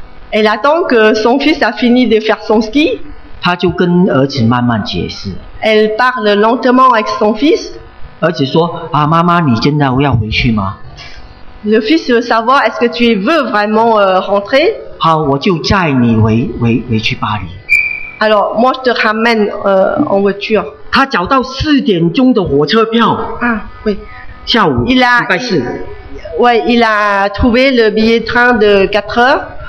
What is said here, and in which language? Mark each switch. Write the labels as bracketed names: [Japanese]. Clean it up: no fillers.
[French] Elle attend que son fils a fini de faire son ski. [Chinese] 他就跟儿子慢慢解释。 [French] Elle parle lentement avec son fils. [Chinese] 儿子说：“啊，妈妈，你真的要回去吗 [French] ？”Le fils veut savoir est-ce que tu veux vraiment rentrer. [Chinese] 好，我就载你回去巴黎。 [French] Alors, moi je te ramène en voiture. [Chinese] 他找到四点钟的火车票。啊，对。下午礼拜四。 [French] Ouais, il a trouvé le billet train de 4 heures.